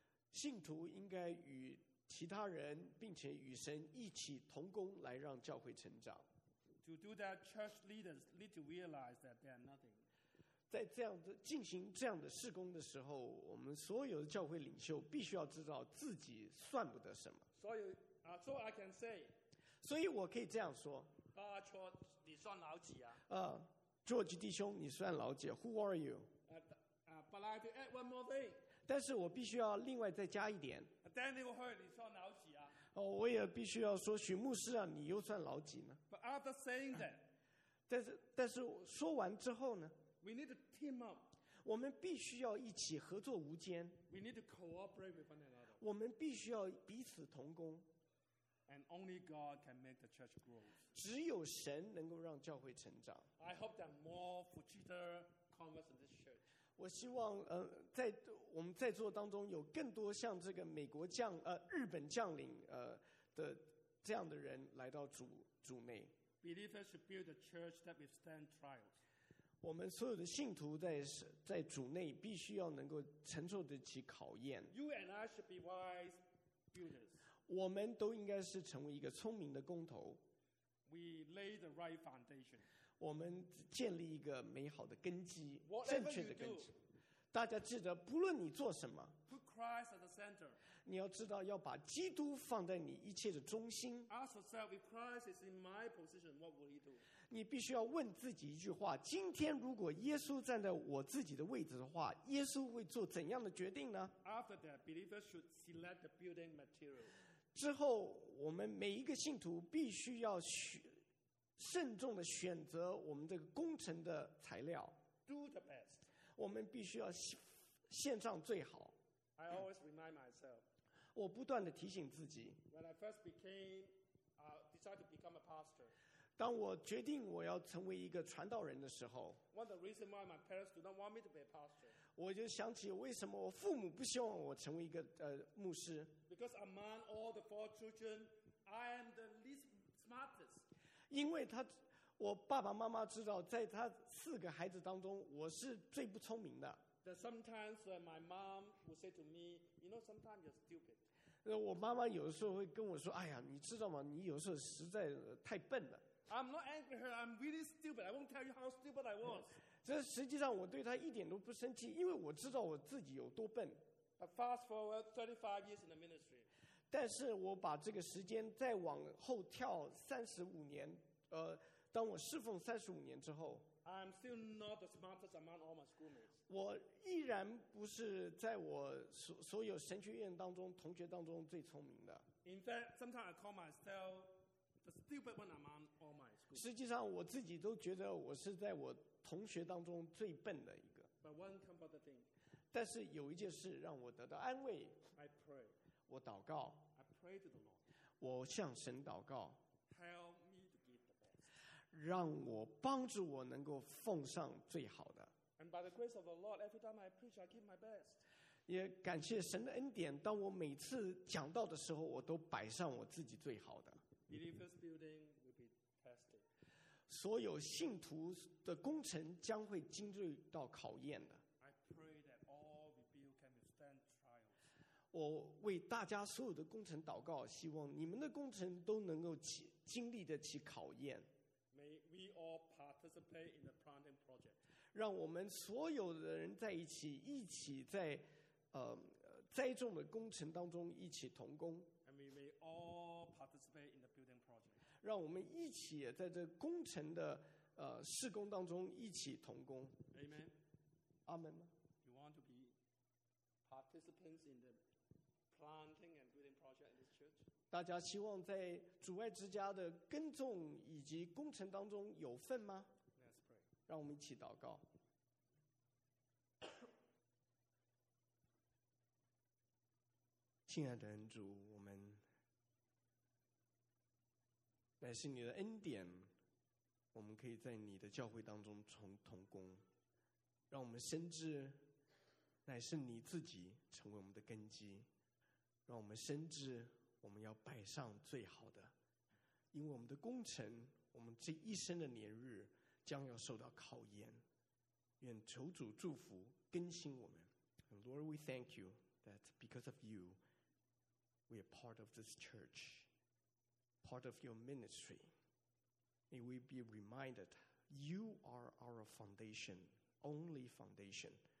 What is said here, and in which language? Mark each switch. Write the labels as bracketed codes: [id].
[zh] 信徒应该与其他人，并且与神一起同工，来让教会成长。 [en] To do that, church leaders need to realize that they are nothing. [zh] 在这样的进行这样的事工的时候，我们所有的教会领袖必须要知道自己算不得什么。所以啊 [en] ，so I can say， [zh] 所以我可以这样说。 George， 你算老几啊？ George 弟兄，你算老几 ？ [en] Who are you？ But I have to add one more thing。 [zh] 但是我必须要另外再加一点。 Daniel Hurd， 你算老几啊？我也必须要说，许牧师啊，你又算老几呢 [en] ？But after saying that， [zh] 但是说完之后呢？ [en] We need to team up. [zh] 我们必须要一起合作无间。 [en] We need to cooperate with one another. [zh] 我们必须要彼此同工。 [en] And only God can make the church grow. [zh] 只有神能够让教会成长。 [en] I hope that more Fujita converts in this church. [zh] 我希望在我们在座当中有更多像这个美国将日本将领的这样的人来到主内。 [en] Believers should build a church that withstands trials. [zh] 我们所有的信徒在主内必须要能够承受得起考验。 [en] You and I should be wise builders. [zh] 我们都应该是成为一个聪明的工头。 [en] We lay the right foundation. [zh] 我们建立一个美好的根基， [en] Whatever、 [zh] 正确的根基。 [en] You do, [zh] 大家记得，不论你做什么 [en] ，Put Christ at the center. [zh] 你要知道要把基督放在你一切的中心。 [en] Ask yourself, if Christ is in my position, what will he do? [zh] 你必须要问自己一句话：今天如果耶稣站在我自己的位置的话，耶稣会做怎样的决定呢 [en] ？After that, believers should select the building material. [zh] 之后，我们每一个信徒必须要慎重的选择我们这个工程的材料。 [en] Do the best. [zh] 我们必须要献上最好。 [en] I always remind myself. [zh] 我不断的提醒自己。 [en] When I first decided to become a pastor. [zh] 当我决定我要成为一个传道人的时候。 [en] One of the reasons why my parents do not want me to be a pastor. [zh] 我就想起为什么我父母不希望我成为一个牧师。 [en] Because among all the four children, I am the least smartest. [zh] 因为他。我爸爸妈妈知道，在他四个孩子当中，我是最不聪明的。 [en] Sometimes when my mom would say to me, "You know, sometimes you're stupid." [zh] 我妈妈有的时候会跟我说：“哎呀，你知道吗？你有时候实在太笨了。” [en] I'm not angry at her. I'm really stupid. I won't tell you how stupid I was. [zh] 这实际上我对她一点都不生气，因为我知道我自己有多笨。 [en] But fast forward 35 years in the ministry. [zh] 但是我把这个时间再往后跳35年，当我侍奉35年之后， [en] I'm still not the smartest among all my schoolmates. [zh] 我依然不是在我所有神学院当中同学当中最聪明的。 [en] In fact, sometimes I call myself the stupid one among all my schoolmates. [zh] 实际上我自己都觉得我是在我同学当中最笨的一个。 [en] But one comforting thing. [zh] 但是有一件事让我得到安慰。 [en] I pray. [zh] 我祷告。 [en] I pray to the Lord. [zh] 我向神祷告。 [en] Help me to give the best. [zh] 让我帮助我能够奉上最好的。 [en] And by the grace of the Lord, every time I preach, I give my best. [zh] 也感谢神的恩典，当我每次讲到的时候，我都摆上我自己最好的。 [en] Believers building will be tested. [zh] 所有信徒的工程将会经历到考验的。 [en] I pray that all the build can withstand trials. [zh] 我为大家所有的工程祷告，希望你们的工程都能够经历得起考验。 [en] May we all participate in the planting project. [zh] 让我们所有的人在一起，一起在栽种的工程当中一起同工。 [en] And we may all participate in the building project. [zh] 让我们一起在这工程的施工当中一起同工。 [en] Amen. [zh] 阿门吗？ [en] You want to be participants in the planting and building project in this church? [zh] 大家希望在主爱之家的耕种以及工程当中有份吗？ [en] Let's pray. [zh] 让我们一起祷告。亲爱的恩主，我们乃是你的恩典，我们可以在你的教会当中同工，让我们深知乃是你自己成为我们的根基，让我们深知我们要摆上最好的，因为我们的工程，我们这一生的年日将要受到考验。愿求主祝福更新我们。 [en] And Lord, we thank you that because of youWe are part of this church, part of your ministry. May we be reminded, you are our foundation, only foundation.